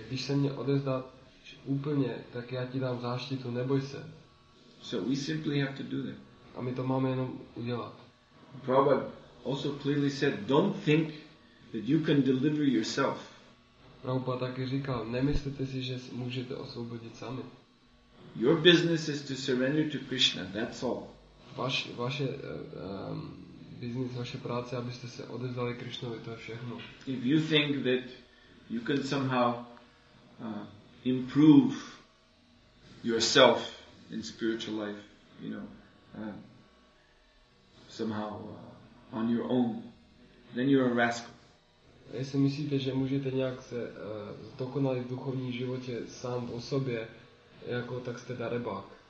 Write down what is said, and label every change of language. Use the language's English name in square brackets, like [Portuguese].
[Czech] Když se mě odevzdáš úplně, tak já ti dám záštitu, neboj se. [English] So we simply have to do that. [Czech] A my to máme jenom udělat. [English] Prabhupada also clearly said, don't think that you can deliver yourself. [Czech] Prabhupada taky říkal, nemyslete si, že můžete osvobodit sami. [English] Your business is to surrender to Krishna, that's all. [Czech] Vaše práce, abyste se odevzdali Krishnovi, to je všechno. [English] If you think that you can somehow improve yourself in spiritual life, you know, somehow on your own, then you're a rascal. [Czech] Jestli myslíte, že můžete nějak se dokonalit v duchovním životě sám o sobě, jako tak jste darebák.